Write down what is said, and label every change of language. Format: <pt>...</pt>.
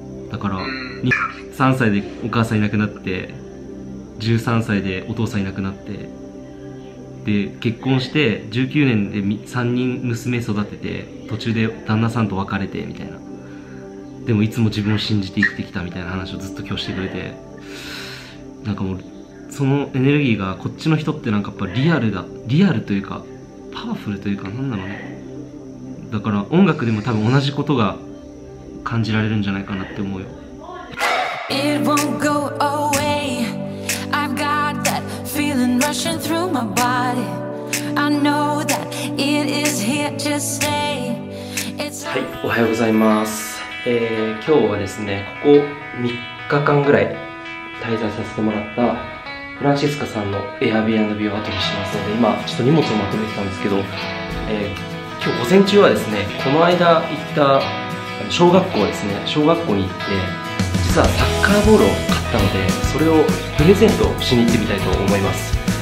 <ja>だから3歳でお母さんいなくなって、13歳でお父さんいなくなって、で結婚して19年で3人娘育てて、途中で旦那さんと別れてみたいな、でもいつも自分を信じて生きてきたみたいな話をずっと今日してくれて、なんかもうそのエネルギーがこっちの人ってなんかやっぱリアルだ、リアルというかパワフルというか、なんだろうね。だから音楽でも多分同じことが感じられるんじゃないかなって思うよ。</ja> <en>It won't go away. I've got that feeling rushing through my body. I know that it is here to stay.</en> <ja>はい、おはようございます。今日はですね、ここ3日間ぐらい滞在させてもらったフランシスカさんの Airbnb を後にしますので、今ちょっと荷物をまとめてたんですけど、今日午前中はですね、この間行った小学校ですね、小学校に行って、実はサッカーボールを買ったので、それをプレゼントしに行ってみたいと思います。</ja>